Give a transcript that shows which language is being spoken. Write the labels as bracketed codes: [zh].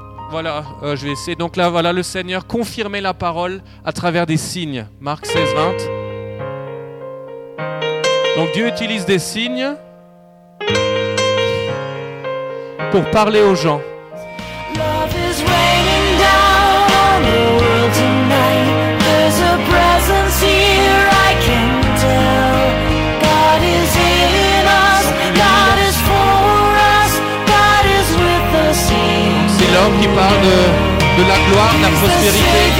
[fr] Voilà, je vais essayer. Donc là, voilà, le Seigneur confirmait la parole à travers des signes. Marc 16, 20. Donc Dieu utilise des signes pour parler aux gens. [en] Love is raining down on the world tonight. There's a presence here, I can tell. God is in us, God is for us, God is with us. [fr] C'est l'homme qui parle de la gloire, de la prospérité.